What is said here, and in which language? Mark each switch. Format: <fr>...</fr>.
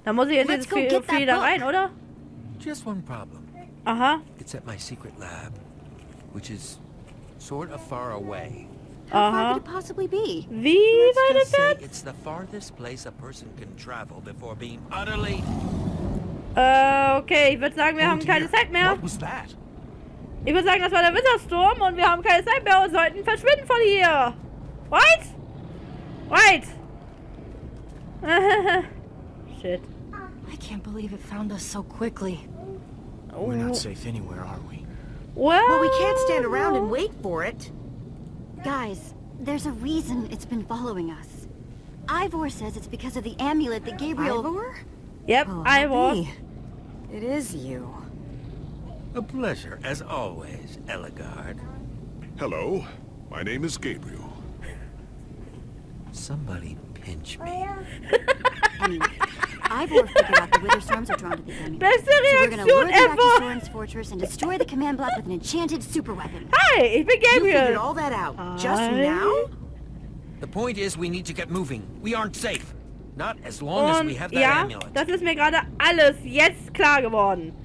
<de>Da muss ich jetzt viel da rein, oder?</de> <en>Just one problem. Aha. It's at my secret lab, which is sort of far away. How far could it possibly be? It's the farthest place a person can travel before being utterly...</en> <de>Okay, ich würde sagen, wir haben keine Zeit mehr.</de> <en>What was that?</en> <de>Ich würde sagen, das war der Wintersturm und wir haben keine Zeit mehr und sollten verschwinden von hier.</de> <en>Right? Right? Shit. I can't believe it found us so quickly. We're not safe anywhere, are we? Well, we can't stand around and wait for it. Guys, there's a reason it's been following us. Ivor says it's because of the amulet that Gabriel... Ivor? Yep, oh, Ivor. It is you. A pleasure, as always, Elagard. Hello, my name is Gabriel. Somebody pinch me. Ivor figured out the Witherstorms are drawn to the amulet.</en> <de>Beste Reaktion</de> <en>so we're gonna ever! We're going to lure back to Storm's fortress and destroy the command block with an enchanted superweapon.</en> <de>Hi, ich bin Gabriel.</de> <en>You figured all that out just now? The point is, we need to get moving. We aren't safe. Not as long as we have that amulet.</en> <de>Das ist mir gerade alles jetzt klar geworden.</de>